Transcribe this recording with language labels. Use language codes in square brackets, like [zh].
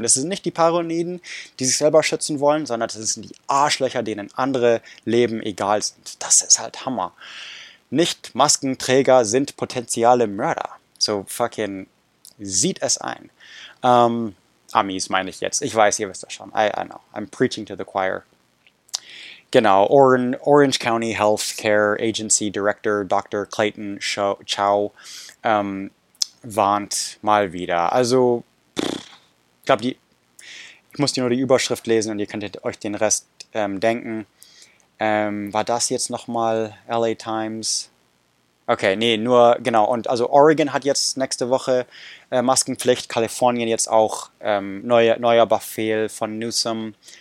[de] Das sind nicht die Paranoiden, die sich selber schützen wollen, sondern das sind die Arschlöcher, denen andere Leben egal sind. Das ist halt Hammer. Nicht-Maskenträger sind potenzielle Mörder. So fucking sieht es ein. Amis meine ich jetzt. Ich weiß, ihr wisst das schon. [en] I know. I'm preaching to the choir. Genau. Orange County Healthcare Agency Director Dr. [de] Clayton Chow. Warnt mal wieder. Also, ich muss dir nur die Überschrift lesen und ihr könnt euch den Rest denken. War das jetzt nochmal LA Times? Okay, nee, nur, genau. Und also Oregon hat jetzt nächste Woche Maskenpflicht, Kalifornien jetzt auch neuer Befehl von Newsom.